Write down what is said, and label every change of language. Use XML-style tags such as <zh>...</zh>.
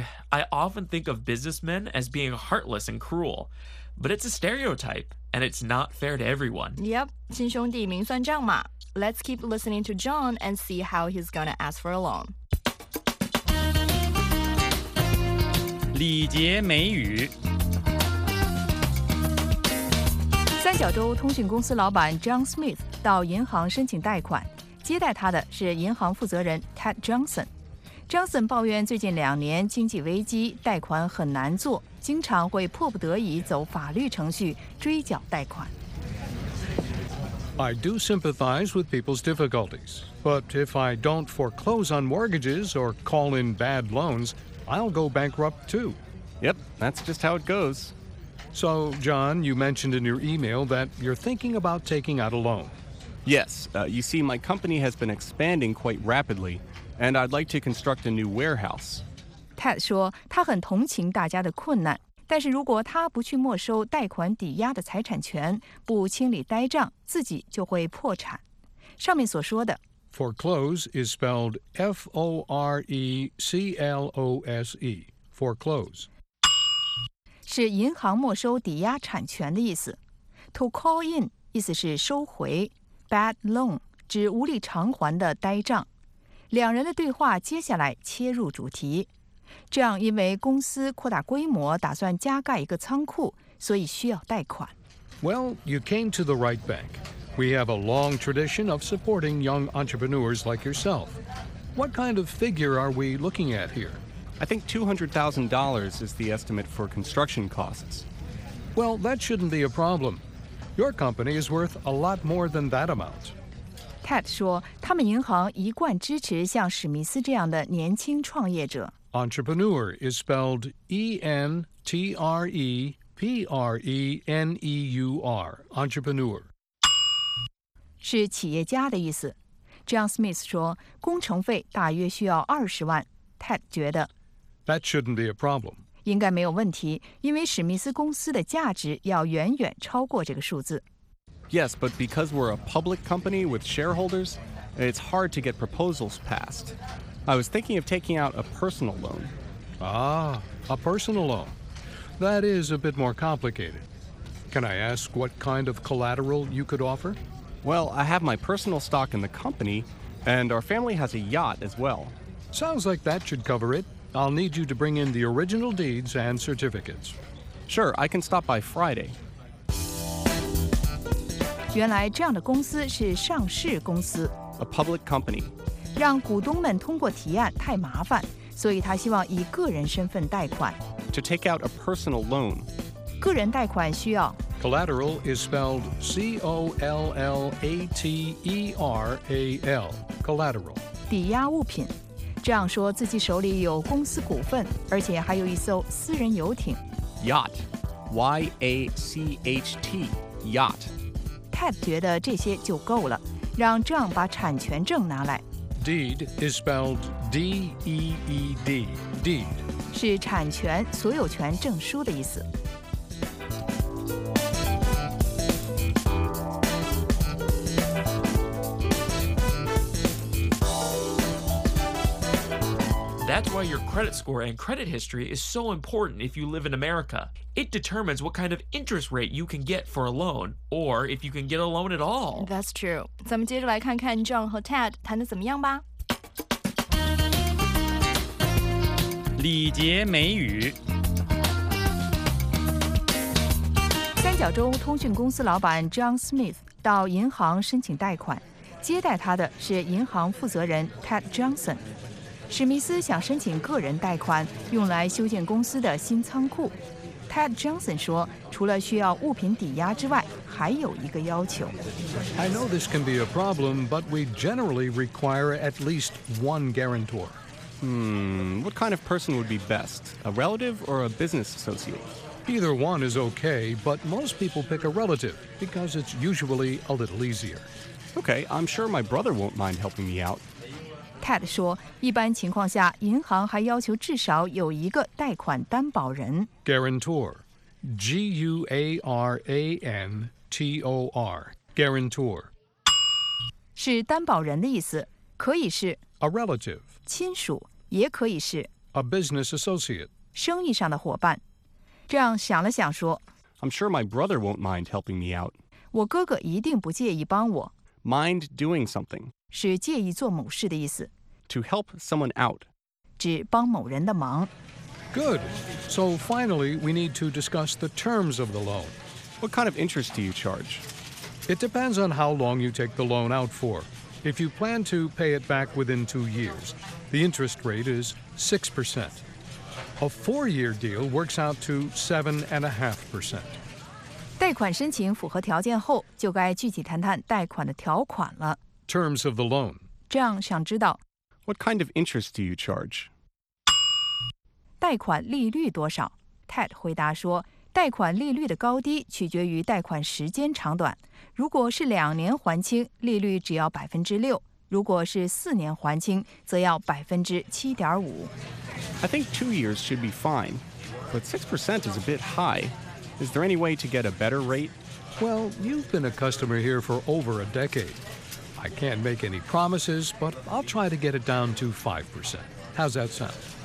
<en>I often think of businessmen as being heartless and cruel, but it's a stereotype, and it's not fair to everyone.</en> <zh>Yep, 亲兄弟明算账嘛。</zh> <en>Let's keep listening to John and see how he's gonna ask for a loan.</en> <zh>礼节美语。三角洲通讯公司老板 John Smith 到银行申请贷款，接待他的是银行负责人 Ted Johnson。 Johnson 抱怨最近两年经济危机，贷款很难做，经常会迫不得已走法律程序追缴贷款。</zh> <en>I do sympathize with people's difficulties, but if I don't foreclose on mortgages or call in bad loans, I'll go bankrupt too. Yep, that's just how it goes. So, John, you mentioned in your email that you're thinking about taking out a loan. Yes, you see, my company has been expanding quite rapidly. And I'd like to construct a new warehouse.</en> <zh>Ted 说他很同情大家的困难，但是如果他不去没收贷款抵押的财产权，不清理呆账，自己就会破产。上面所说的</zh> <en>Foreclose is spelled F-O-R-E-C-L-O-S-E, foreclose.</en> <zh>是银行没收抵押产权的意思。</zh> <en>To call in</en> <zh>意思是收回。 Bad loan 指无力偿还的呆账。两人的对话接下来切入主题，这样因为公司扩大规模，打算加盖一个仓库，所以需要贷款。</zh> <en>Well, you came to the right bank. We have a long tradition of supporting young entrepreneurs like yourself. What kind of figure are we looking at here? I think $200,000 is the estimate for construction costs. Well, that shouldn't be a problem. Your company is worth a lot more than that amount.</en> <zh>Ted 说他们银行一贯支持像史密斯这样的年轻创业者。</zh> <en>Entrepreneur is spelled E-N-T-R-E-P-R-E-N-E-U-R, entrepreneur.</en> <zh>是企业家的意思。 John Smith 说工程费大约需要20万。 Ted 觉得</zh> <en>That shouldn't be a problem.</en> <zh>应该没有问题，因为史密斯公司的价值要远远超过这个数字。</zh> <en>Yes, but because we're a public company with shareholders, it's hard to get proposals passed. I was thinking of taking out a personal loan. Ah, a personal loan. That is a bit more complicated. Can I ask what kind of collateral you could offer? Well, I have my personal stock in the company, and our family has a yacht as well. Sounds like that should cover it. I'll need you to bring in the original deeds and certificates. Sure, I can stop by Friday.</en> <zh>原来这样的公司是上市公司</zh> <en>，a public company，</en> <zh>让股东们通过提案太麻烦，所以他希望以个人身份贷款。</zh> <en>to take out a personal loan.</en> <zh>个人贷款需要。</zh> <en>Collateral is spelled C-O-L-L-A-T-E-R-A-L. Collateral.</en> <zh>抵押物品。这样说自己手里有公司股份，而且还有一艘私人游艇。</zh> <en>Yacht. Y-A-C-H-T. Yacht.</en> <zh>Ted 觉得这些就够了。让 John 把产权证拿来。</zh> <en>Deed is spelled D-E-E-D, deed.</en> <zh>是产权、所有权证书的意思。</zh> <en>That's why your credit score and credit history is so important if you live in America. It determines what kind of interest rate you can get for a loan, or if you can get a loan at all. That's true.</en> <zh>咱们接着来看看 John 和 Ted 谈得怎么样吧。礼节美语。三角洲通讯公司老板 John Smith 到银行申请贷款，接待他的是银行负责人 Ted Johnson。史密斯想申请个人贷款，用来修建公司的新仓库。 Ted Johnson 说，除了需要物品抵押之外，还有一个要求。</zh> <en>I know this can be a problem, but we generally require at least one guarantor. What kind of person would be best? A relative or a business associate? Either one is okay, but most people pick a relative because it's usually a little easier. Okay, I'm sure my brother won't mind helping me out.</en> <zh>Ted 说，一般情况下，银行还要求至少有一个贷款担保人。</zh> <en>Guarantor, G-U-A-R-A-N-T-O-R, guarantor.</en> <zh>是担保人的意思，可以是</zh> <en>a relative,</en> <zh>亲属，也可以是</zh> <en>a business associate,</en> <zh>生意上的伙伴。这样想了想说</zh> <en>I'm sure my brother won't mind helping me out.</en> <zh>我哥哥一定不介意帮我。</zh> <en>Mind doing something.</en> <zh>是介意做某事的意思。</zh> <en>To help someone out.</en> <zh>指帮某人的忙。</zh> <en>Good. So finally, we need to discuss the terms of the loan. What kind of interest do you charge? It depends on how long you take the loan out for. If you plan to pay it back within 2 years, the interest rate is 6%. A 4-year deal works out to 7.5%.</en> <zh>贷款申请符合条件后，就该具体谈谈贷款的条款了。</zh> <en>Terms of the loan.</en> <zh>这样想知道</zh> <en>What kind of interest do you charge?</en> <zh>贷款利率多少 ?Ted 回答说，贷款利率的高低取决于贷款时间长短。如果是2年还清，利率只要6%；如果是4年还清，则要7.5%。</zh> <en>I think 2 years should be fine, but 6% is a bit high. Is there any way to get a better rate? Well, you've been a customer here for over a decade. I can't make any promises, but I'll try to get it down to 5%. How's that sound?</en>